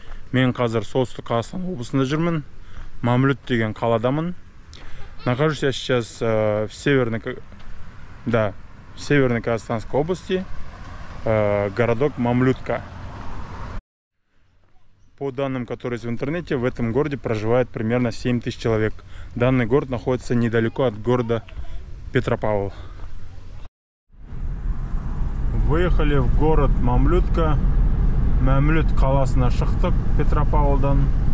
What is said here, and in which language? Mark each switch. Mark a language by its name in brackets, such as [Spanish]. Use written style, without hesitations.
[Kazakh] Мен қазір Солтүстік Қазақстан облысында жүрмін. Мамлют деген қаладамын. [Russian] Нахожусь я сейчас в северной, да, в северной Казахстанской области, городок Мамлютка. По данным, которые есть в интернете, в этом городе проживает примерно 7 тысяч человек. Данный город находится недалеко от города Петропавл. Выехали в город Мамлютка. [Kazakh] Мамлют каласына шықтық Петропавлдан.